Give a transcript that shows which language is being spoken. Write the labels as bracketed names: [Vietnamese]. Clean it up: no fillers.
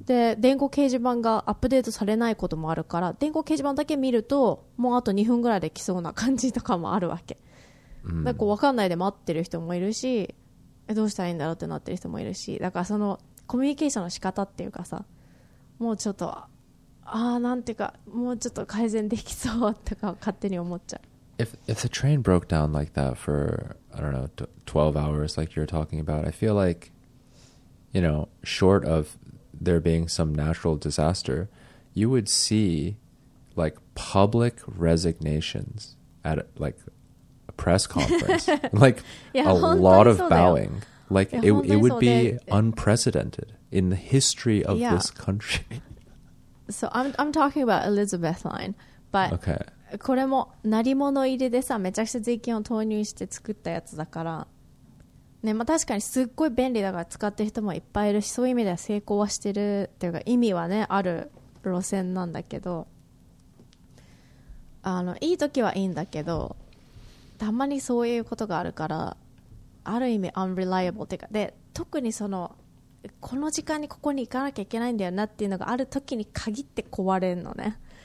[Japanese] で電光掲示板がアップデートされないこともあるから、電光掲示板だけ見るともうあと2分ぐらいで来そうな感じとかもあるわけ、なんか分かんないで待ってる人もいるし、どうしたらいいんだろうってなってる人もいるし、だからそのコミュニケーションの仕方っていうかさ、もうちょっとああなんていうか、もうちょっと改善できそうとか勝手に思っちゃう。 [English] If the train broke down like that for, I don't know, 12 hours like you're talking about, I feel like, you know, short of there being some natural disaster, you would see like public resignations at like a press conference, like a lot of bowing. Like it would be unprecedented in the history of this country. So I'm talking about Elizabeth Line, but okay. [Japanese] これも鳴り物入りでさ、めちゃくちゃ税金を投入して作ったやつだから、ねまあ、確かにすっごい便利だから使ってる人もいっぱいいるし、そういう意味では成功はしてるっていうか意味はねある路線なんだけど、あのいい時はいいんだけど、たまにそういうことがあるから、ある意味 unreliable っていうか、で特にそのこの時間にここに行かなきゃいけないんだよなっていうのがある時に限って壊れるのね。